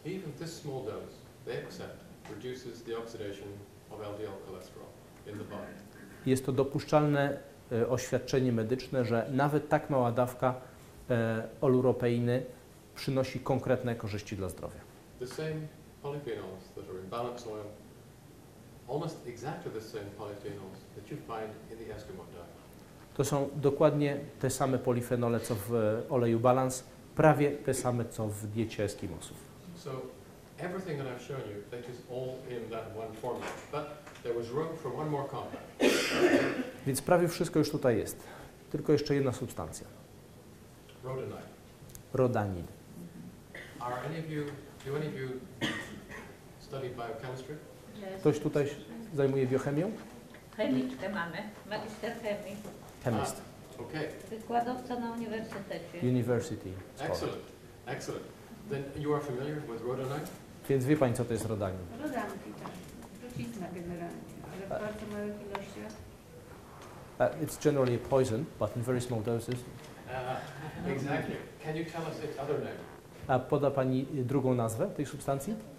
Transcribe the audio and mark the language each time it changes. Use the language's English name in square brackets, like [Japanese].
[English] Even this small dose, they accept, reduces the oxidation of LDL cholesterol in the body. [Polish] Jest to dopuszczalne oświadczenie medyczne, że nawet tak mała dawka oluropeiny przynosi konkretne korzyści dla zdrowia. [English] The same polyphenols that are in balance oil, almost exactly the same polyphenols that you find in the Eskimo diet. [Polish] To są dokładnie te same polifenole, co w oleju Balance, prawie te same, co w diecie Eskimosów. [English] So everything that I've shown you, that is all in that one formula, but there was room for one more compound. [Polish] Więc prawie wszystko już tutaj jest. Tylko jeszcze jedna substancja. [English] Rodanide. [Polish] Rodanid. [English] Are any of you, do any of you study biochemistry? Yes. [Polish] Ktoś tutaj zajmuje biochemią? Chemiczkę mamy, magister chemii. [English] Chemist. Okay. [Polish] Wykładowca na uniwersytecie. [English] University. Excellent. Sport. Excellent. Then you are familiar with rodanide? [Polish] Więc wie pani, co to jest rodanin? Rodanki, tak. Trucizna generalnie, ale w bardzo małych ilościach. [English] It's generally a poison, but in very small doses. Exactly. Can you tell us its other name? [Polish] A poda pani drugą nazwę tej substancji?